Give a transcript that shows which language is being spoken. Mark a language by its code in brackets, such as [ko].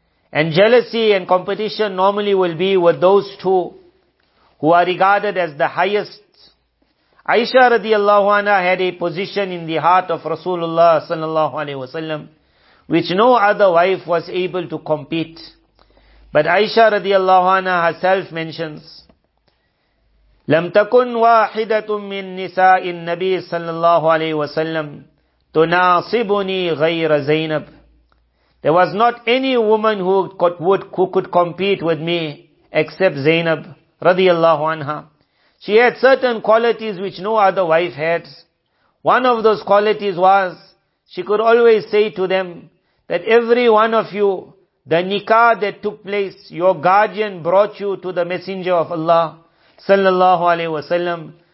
[en] And jealousy and competition normally will be with those two who are regarded as the highest. Aisha radiallahu anha had a position in the heart of Rasulullah sallallahu alayhi wasallam, which no other wife was able to compete. But Aisha radiallahu anha herself mentions, [ar] لم تكن واحدة من نساء النبي صلى الله عليه وسلم تناصبني غير زينب. [en] There was not any woman who could compete with me except Zainab radiallahu anha. She had certain qualities which no other wife had. One of those qualities was, she could always say to them, that every one of you, the nikah that took place, your guardian brought you to the Messenger of Allah, sallallahu alayhi wa sallam.